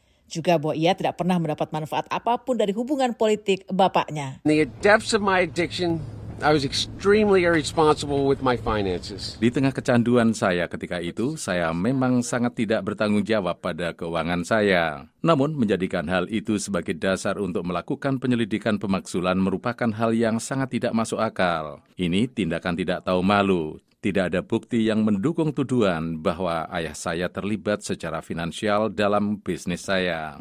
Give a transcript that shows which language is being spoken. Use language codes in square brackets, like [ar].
[id] Juga bahwa ia tidak pernah mendapat manfaat apapun dari hubungan politik bapaknya. [en] In the depths of my addiction, I was extremely irresponsible with my finances. [id] Di tengah kecanduan saya ketika itu, saya memang sangat tidak bertanggung jawab pada keuangan saya. Namun, menjadikan hal itu sebagai dasar untuk melakukan penyelidikan pemakzulan merupakan hal yang sangat tidak masuk akal. Ini tindakan tidak tahu malu. Tidak ada bukti yang mendukung tuduhan bahwa ayah saya terlibat secara finansial dalam bisnis saya.